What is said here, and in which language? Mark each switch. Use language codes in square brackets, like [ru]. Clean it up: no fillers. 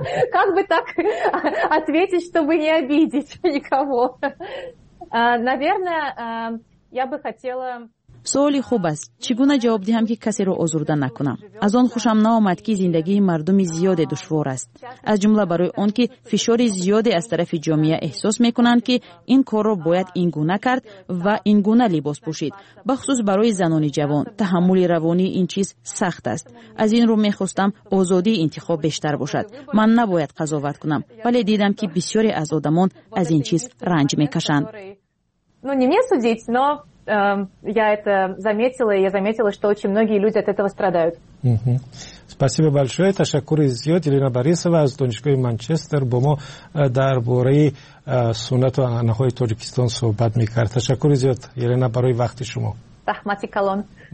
[ru] Как бы так ответить, чтобы не обидеть никого? Наверное, я бы хотела... [tg] Суоли хуб аст. Чи гуна ҷавоб диҳам, ки касеро озурда накунам? Аз он хушам наомад, ки зиндагии мардуми зиёде душвор аст. Аз ҷумла барои он, ки фишори зиёде аз тарафи ҷомеа эҳсос мекунанд, ки ин корро бояд ин гуна кард ва ин гуна либос пушид. Ба хусус барои занони ҷавон, таҳаммули равонии ин чиз сахт аст. Аз ин рӯ мехостам озодии интихоб бештар бошад. Ман набояд қазоват кунам, вале дидам, ки бисёре аз одамон аз ин чиз ранҷ мекашанд. [ru] Ну, не мне судить, но я это заметила, и я заметила, что очень многие люди от этого страдают. спасибо большое, [fa] تشکر زیاد Елена Борисова از دانشگاه منچستر با ما درباره سنت و آنهای تاجیکستان صحبت میکرد. تشکر زیاد Елена برای وقت شما. [tg] رحمتی کلون.